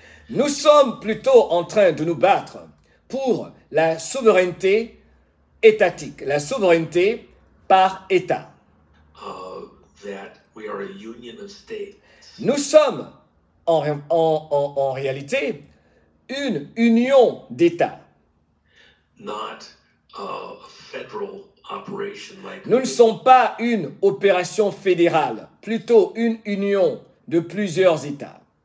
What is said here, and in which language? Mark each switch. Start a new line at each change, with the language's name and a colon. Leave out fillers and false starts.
French: Nous sommes plutôt en train de nous battre pour la souveraineté étatique, la souveraineté par État.
English: That we are a union of states.
French: Nous sommes en réalité une union d'États.
English: Not a federal operation like
French: nous ne sommes pas une opération fédérale, plutôt une union de plusieurs États.